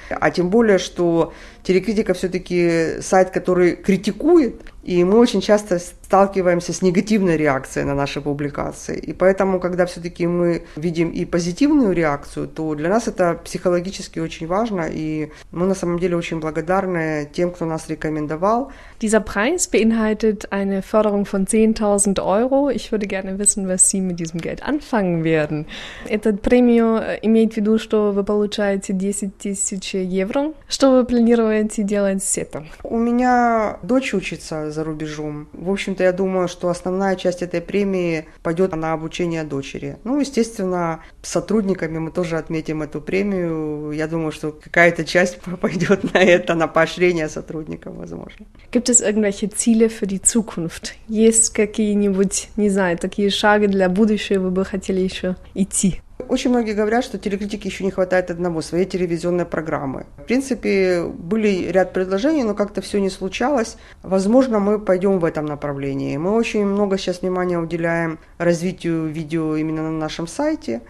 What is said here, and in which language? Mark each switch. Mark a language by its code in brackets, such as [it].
[ru] А тем более, что телекритика все-таки сайт, который критикует, и мы очень часто сталкиваемся с негативной реакцией на наши публикации. И поэтому, когда все-таки мы видим и позитивную реакцию, то для нас это психологически очень важно, и мы на самом деле очень благодарны тем, кто нас рекомендовал. [de] Dieser Preis beinhaltet eine Förderung von 10.000 Euro. Ich würde gerne wissen, was Sie mit diesem Geld anfangen werden. [ru] Этот премию имеет в виду, что вы получаете 10.000 евро. Что вы планируете делать с этим? У меня дочь учится за рубежом. В общем-то, я думаю, что основная часть этой премии пойдет на обучение дочери. Ну, естественно, с сотрудниками мы тоже отметим эту премию. Я думаю, что какая-то часть пойдет на это, на поощрение сотрудников, возможно. [de] Gibt es irgendwelche Ziele für die Zukunft? [ru] Есть какие-нибудь, не знаю, такие шаги для будущего, вы бы хотели еще идти? Очень многие говорят, что телекритике еще не хватает одного, своей телевизионной программы. В принципе, были ряд предложений, но как-то все не случалось. Возможно, мы пойдем в этом направлении. Мы очень много сейчас внимания уделяем развитию видео именно на нашем сайте.